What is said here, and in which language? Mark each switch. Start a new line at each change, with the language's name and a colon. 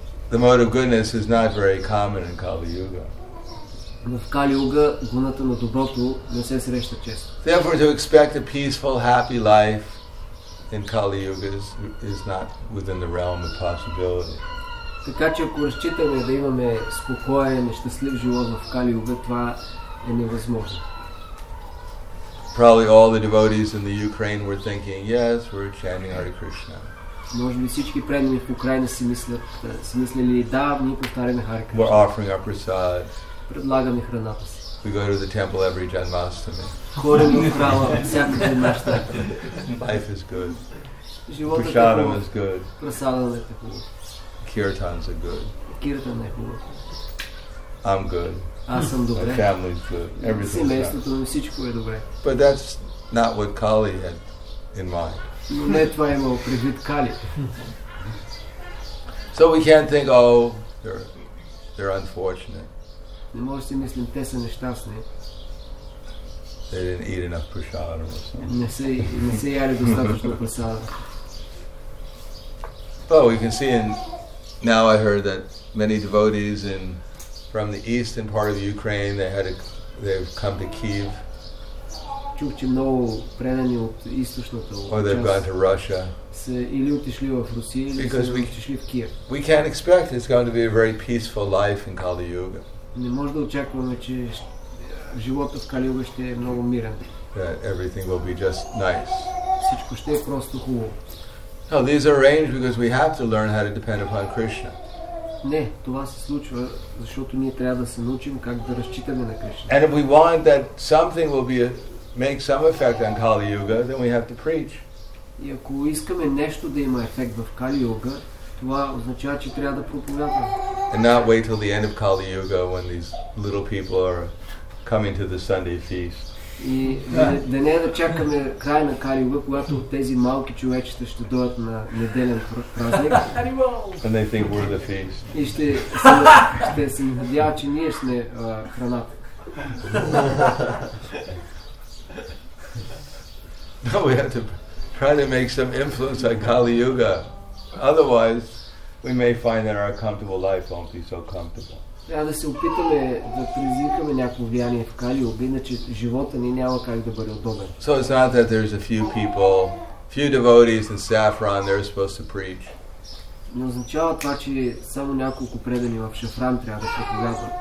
English: The mode of goodness is not very common in Kali Yuga.
Bulgarian: В Кали Юга гуната на доброто не се среща често.
English: Therefore, to expect a peaceful, happy life in Kali Yuga is not within the realm of possibility.
Bulgarian: Така че ако разчитаме да имаме спокоен и щастлив живот в Кали Юга, това е невъзможно.
English: Probably all the devotees in the Ukraine were thinking, yes, we're chanting Hare Krishna.
Bulgarian: Може би всички преданни в Украина си мислили, да, ние повтаряме Hare Krishna.
English: We're offering our prasad.
Bulgarian: Предлагаме храната си.
English: We go to the temple every Janmashtami.
Bulgarian: Ходим в храма всяка Janmashtami.
English: Life is good. Prasadam is good.
Bulgarian: Prasadam е хубаво.
English: Kirtans are good.
Bulgarian: Kirtan е хубав.
English: I'm good.
Bulgarian: Аз съм добре.
English: My family's good.
Bulgarian: Семейството ми, всичко е добре.
English: But that's not what Kali had in mind.
Bulgarian: Но не това е имало предвид Кали.
English: So we can't think, oh, they're unfortunate.
Bulgarian: Не може да мислим, те са нещастни.
English: They didn't eat enough prasadam or something.
Bulgarian: Не се яли достатъчно прасадам.
English: But we can see in Now I heard that many devotees in from the eastern part of Ukraine they've come to Kyiv.
Bulgarian: Чух, че много предани от източната част.
English: Or they've gone to Russia.
Bulgarian: Или отишли в Русия, или отишли в Киев.
English: We can't expect it's going to be a very peaceful life in Kali Yuga.
Bulgarian: Не може да очакваме, че живота в Кали Юга ще е много мирен.
English: That everything will be just nice.
Bulgarian: Всичко ще е просто хубаво.
English: No, these are arranged because we have to learn how to depend upon Krishna.
Bulgarian: Не, това се случва, защото ние трябва да се научим как да разчитаме на Кришна.
English: And if we want that something will be make some effect on Kali Yuga, then we have to preach.
Bulgarian: И ако искаме нещо да има ефект в Кали Юга, това означава, че трябва да проповядваме.
English: And not wait till the end of Kali Yuga when these little people are coming to the Sunday feast.
Bulgarian: И да не да чакаме край на Кали Юга, когато тези малки човечета ще дойдат на неделен празник.
English: And they think we're the feast.
Bulgarian: И ще се надява, че ние сме храната.
English: No, we have to try to make some influence on Kali Yuga. Otherwise, we may find that our comfortable life won't be so comfortable.
Bulgarian: Трябва да се опитаме да предизвикаме някакво влияние в Кали Юга, иначе живота ни няма как да бъде удобен.
English: So it's not that there's a few people, few devotees in Saffron, they're supposed to preach.
Bulgarian: Не означава това, че само няколко предани в Шафран трябва да проповядват.